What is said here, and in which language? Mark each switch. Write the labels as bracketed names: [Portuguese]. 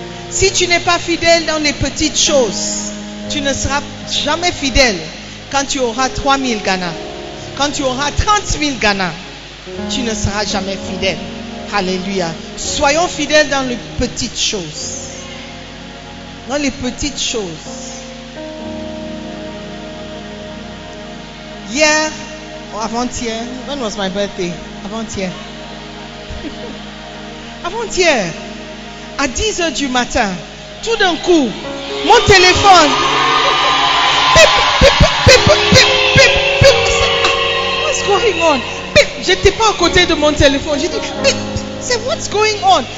[French] Si tu n'es pas fidèle dans les petites choses, tu ne seras jamais fidèle quand tu auras 3000 Ghana. Quand tu auras 30000 Ghana, tu ne seras jamais fidèle. Alléluia. Soyons fidèles dans les petites choses. Dans les petites choses. Hier, avant-hier, [English] when was my birthday? [French] Avant-hier, à 10h du matin, tout d'un coup, mon téléphone. Pip, pip, pip, pip, pip, pip. [English] What's going on? [French] Pip, j'étais pas à côté de mon téléphone. J'ai dit, pip, c'est [English] what's going on?